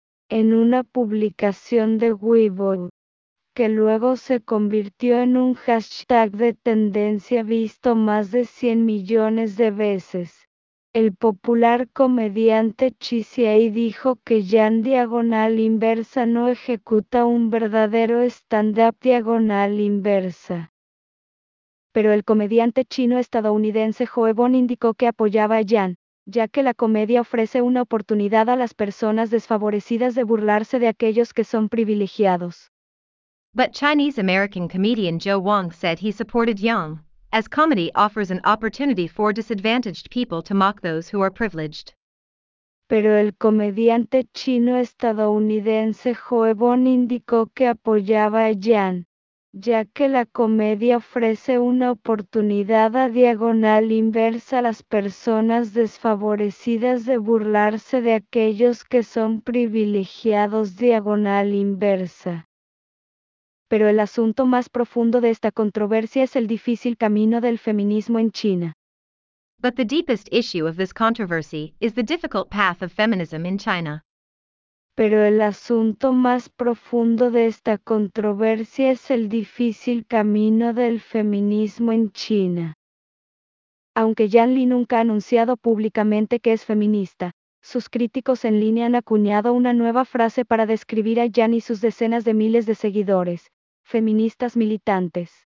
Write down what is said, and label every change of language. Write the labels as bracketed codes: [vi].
[es] En una publicación de Weibo, que luego se convirtió en un hashtag de tendencia visto más de 100 millones de veces, el popular comediante Chi Xiaoyi dijo que Yang diagonal inversa no ejecuta un verdadero stand-up diagonal inversa. Pero el comediante chino-estadounidense Huebon indicó que apoyaba a Yang, ya que la comedia ofrece una oportunidad a las personas desfavorecidas de burlarse de aquellos que son privilegiados. [en] But Chinese-American comedian Zhou Wang said he supported Yang, as comedy offers an opportunity for disadvantaged people to mock those who are privileged. [es] Pero el comediante chino estadounidense Huebon indicó que apoyaba a Yang, ya que la comedia ofrece una oportunidad a diagonal inversa a las personas desfavorecidas de burlarse de aquellos que son privilegiados diagonal inversa. Pero el asunto más profundo de esta controversia es el difícil camino del feminismo en China. [en] But the deepest issue of this controversy is the difficult path of feminism in China. [es] Pero el asunto más profundo de esta controversia es el difícil camino del feminismo en China. Aunque Yang Li nunca ha anunciado públicamente que es feminista, sus críticos en línea han acuñado una nueva frase para describir a Yang y sus decenas de miles de seguidores, feministas militantes.